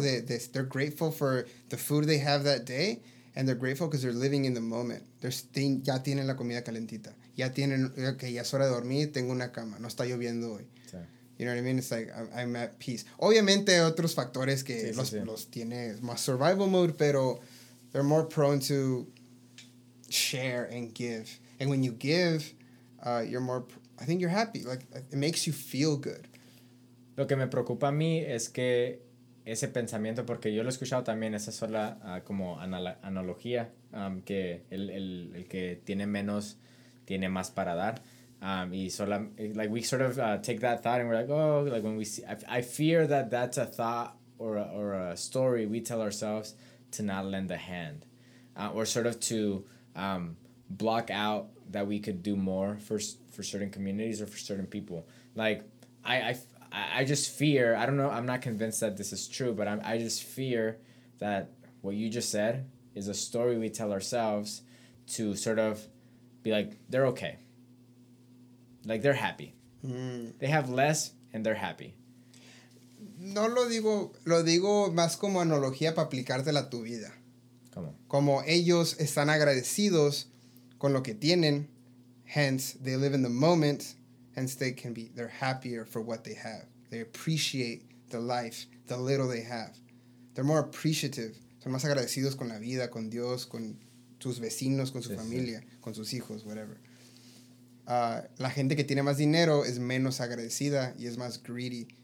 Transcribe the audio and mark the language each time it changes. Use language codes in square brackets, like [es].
[en] They're grateful for the food they have that day, and they're grateful because they're living in the moment. [es] Ya tienen la comida calentita. Ya tienen, okay, ya es hora de dormir, tengo una cama. No está lloviendo hoy. Sí. [en] You know what I mean? It's like, I'm at peace. [es] Obviamente, hay otros factores que los tiene más [en] survival mode, pero they're more prone to share and give. And when you give, you're more... I think you're happy. Like, it makes you feel good. [es] Lo que me preocupa a mí es que ese pensamiento, porque yo lo he escuchado también, esa sola como analogía, que el que tiene menos tiene más para dar. Y sola, [en] like, we sort of take that thought and we're like, oh, like, when we see, I fear that that's a thought or a story we tell ourselves to not lend a hand. Or sort of to block out that we could do more for certain communities or for certain people. Like, I just fear, I don't know, I'm not convinced that this is true, but I just fear that what you just said is a story we tell ourselves to sort of be like, they're okay. Like, they're happy. Mm. They have less and they're happy. [es] no lo digo, lo digo más como analogía para aplicártela a tu vida. ¿Cómo? Como ellos están agradecidos con lo que tienen, [en] hence they live in the moment, hence they can be, they're happier for what they have. They appreciate the life, the little they have. They're more appreciative. [es] Son más agradecidos con la vida, con Dios, con sus vecinos, con su familia, con sus hijos, whatever. La gente que tiene más dinero es menos agradecida y es más greedy.